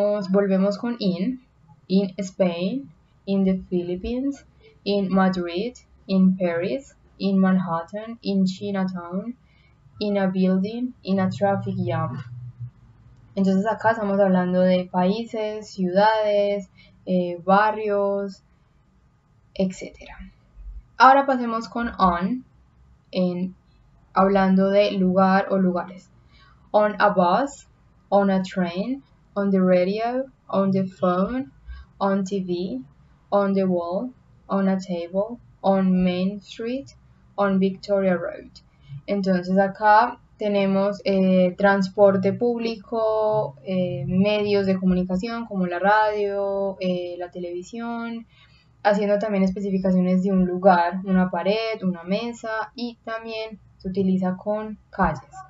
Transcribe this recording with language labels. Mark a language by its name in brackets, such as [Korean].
[Spanish] Volvemos con [English] in Spain, in the Philippines, in Madrid, in Paris, in Manhattan, in Chinatown, in a building, in a traffic jam. [Spanish] Entonces acá estamos hablando de países, ciudades, barrios, etc. Ahora pasemos con on, en hablando de lugar o lugares. [English] On a bus, on a train, on the radio, on the phone, on TV, on the wall, on a table, on Main Street, on Victoria Road. [Spanish] Entonces acá tenemos transporte público, medios de comunicación como la radio, la televisión, haciendo también especificaciones de un lugar, una pared, una mesa, y también se utiliza con calles.